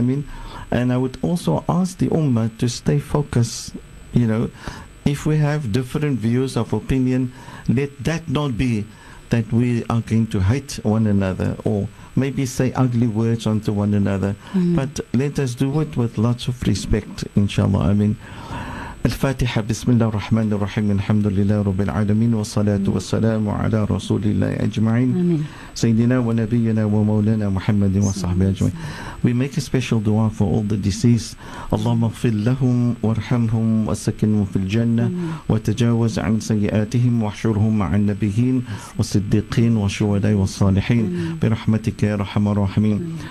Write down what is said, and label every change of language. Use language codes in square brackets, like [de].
[en] I mean, and I would also ask the ummah to stay focused. You know, if we have different views of opinion, let that not be that we are going to hate one another or maybe say ugly words onto one another. Mm-hmm. But let us do it with lots of respect, inshallah. I mean, [ar] الفاتحة بسم الله الرحمن الرحيم الحمد لله رب العالمين والصلاة والسلام على رسول الله أجمعين سيدنا ونبينا ومولانا محمد وصحبه أجمعين. [en] We make a special dua for all the deceased. [ar] اللهم اغفر لهم وارحمهم وسكنهم في الجنة وتجاوز عن سيئاتهم واحشرهم مع النبيين والصديقين والشهداء والصالحين برحمتك يا أرحم الراحمين.